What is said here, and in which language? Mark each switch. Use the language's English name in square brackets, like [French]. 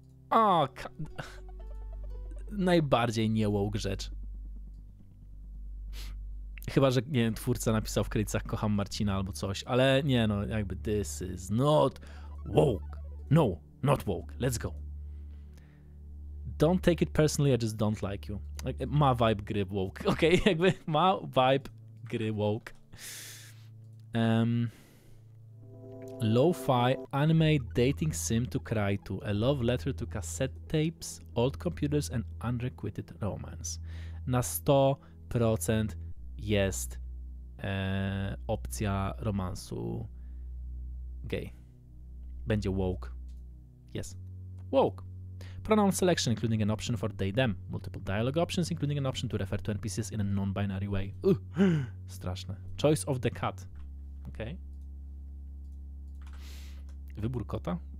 [Polish] O, najbardziej nie woke rzecz. Chyba, że nie wiem, twórca napisał w kredytach kocham Marcina albo coś, ale nie no, jakby [English] this is not woke. No, not woke. Let's go. Don't take it personally, I just don't like you. [Polish] Ma vibe gry woke, okej? Okay? Jakby ma vibe gry woke. [English] Lo-fi anime dating sim to cry to. A love letter to cassette tapes, old computers and unrequited romance. [Polish] Na 100% jest opcja romansu gay. Będzie woke. Yes. Woke. [English] Pronoun selection, including an option for they, them. Multiple dialogue options, including an option to refer to NPCs in a non-binary way. [Polish] Straszne. [English] Choice of the cat. Okay. [Polish] Wybór kota?